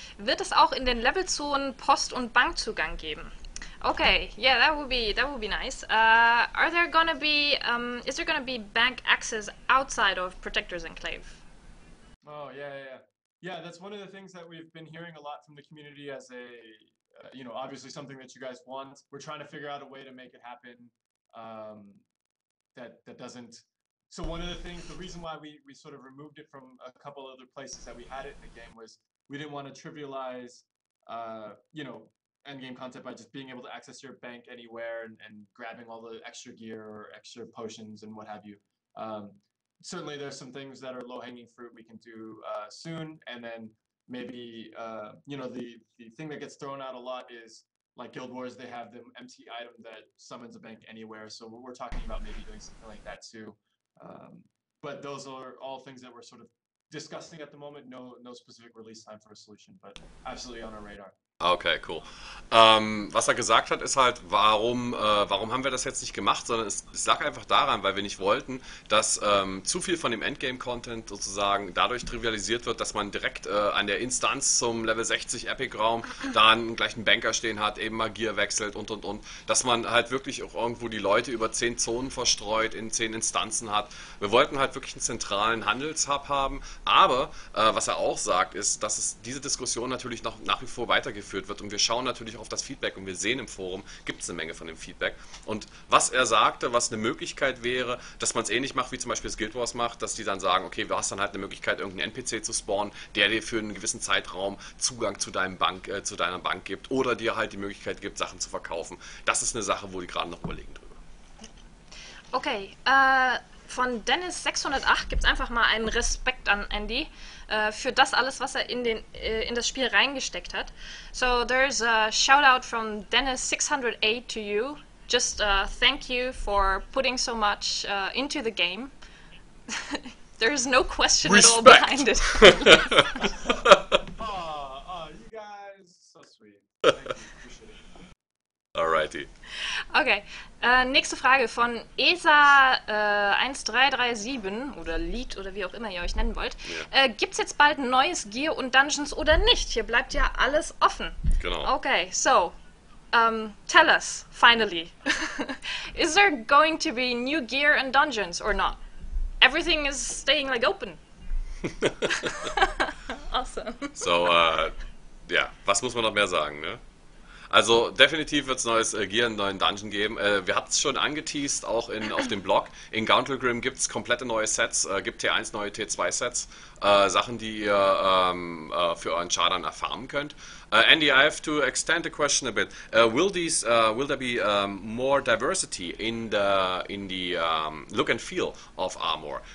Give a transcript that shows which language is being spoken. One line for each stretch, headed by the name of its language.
German: Wird es auch in den Levelzonen Post- und Bankzugang geben?
English: Okay, yeah, that would be nice. Are there gonna be is there gonna be bank access outside of Protector's Enclave? Oh yeah. That's one of the things that we've been hearing a lot from the community as a you know, obviously something that you guys want. We're trying to figure out a way to make it happen. That doesn't. So one of the things, the reason why we sort of removed it from a couple other places that we had it in the game was we didn't want to trivialize, you know, end game content by just being able to access your bank anywhere and grabbing all the extra gear or extra potions and what have you. Certainly there's some things that are low hanging fruit we can do soon. And then maybe, you know, the thing that gets thrown out a lot is like Guild Wars, they have the empty item that summons a bank anywhere. So we're talking about maybe doing something like that too. But those are all things that we're sort of discussing at the moment. No specific release time for a solution, but absolutely on our radar. Okay, cool.
German: Was er gesagt hat, ist halt, warum haben wir das jetzt nicht gemacht, sondern es lag einfach daran, weil wir nicht wollten, dass zu viel von dem Endgame-Content sozusagen dadurch trivialisiert wird, dass man direkt an der Instanz zum Level 60 Epic-Raum dann gleich einen Banker stehen hat, eben mal Gear wechselt und. Dass man halt wirklich auch irgendwo die Leute über 10 Zonen verstreut, in 10 Instanzen hat. Wir wollten halt wirklich einen zentralen Handelshub haben, aber was er auch sagt, ist, dass es diese Diskussion natürlich noch nach wie vor weitergeht. Geführt wird und wir schauen natürlich auf das Feedback und wir sehen im Forum, gibt es eine Menge von dem Feedback und was er sagte, was eine Möglichkeit wäre, dass man es ähnlich macht, wie zum Beispiel das Guild Wars macht, dass die dann sagen, okay, du hast dann halt eine Möglichkeit, irgendeinen NPC zu spawnen, der dir für einen gewissen Zeitraum Zugang zu deiner Bank gibt oder dir halt die Möglichkeit gibt, Sachen zu verkaufen. Das ist eine Sache, wo die gerade noch überlegen drüber. Okay, von Dennis608 gibt es einfach mal einen Respekt an Andy für das alles, was er in das Spiel reingesteckt hat.
English: So there's a shout out from Dennis608 to you. Just thank you for putting so much into the game. There is no question Respect. At all behind it. Aw, you guys, so sweet. Alrighty. Okay.
German: Nächste Frage von ESA1337 oder Lead oder wie auch immer ihr euch nennen wollt. Yeah. Gibt's jetzt bald ein neues Gear und Dungeons oder nicht? Hier bleibt ja alles offen. Genau.
English: Okay, so, tell us, finally. Is there going to be new gear and dungeons or not? Everything is staying like open. Awesome.
German: So, yeah, was muss man noch mehr sagen, ne? Also definitiv wird es neues Gear in neuen Dungeon geben. Wir haben es schon angeteased auch auf dem Blog. In Gauntlegrim gibt es komplette neue Sets, gibt T1 neue T2 Sets, Sachen, die ihr für euren Char dann erfahren könnt.
English: Andy, I have to extend the question a bit. Will there be more diversity in the look and feel of armor?